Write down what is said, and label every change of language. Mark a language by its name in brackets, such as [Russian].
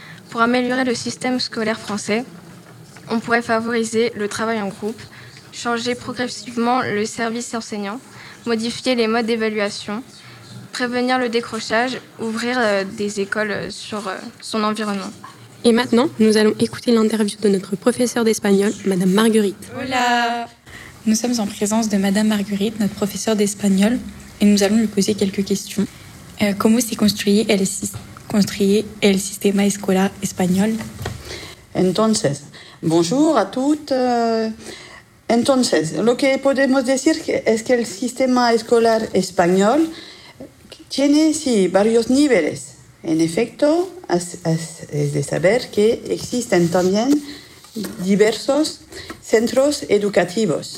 [French] Pour améliorer le système scolaire français, on pourrait favoriser le travail en groupe, changer progressivement le service enseignant, modifier les modes d'évaluation, prévenir le décrochage, ouvrir des écoles sur son environnement. Et maintenant, nous allons écouter l'interview de notre professeure d'espagnol, Madame Marguerite. [Spanish] Hola! [French] Nous sommes en présence de Madame Marguerite, notre professeure d'espagnol, et nous allons lui poser quelques questions. [Spanish] ¿Cómo se construye el sistema escolar español? Entonces, [French] bonjour à toutes. [Spanish] Entonces, lo que podemos decir es que el sistema escolar español tiene sí, varios niveles. En efecto, es de saber que existen también diversos centros educativos.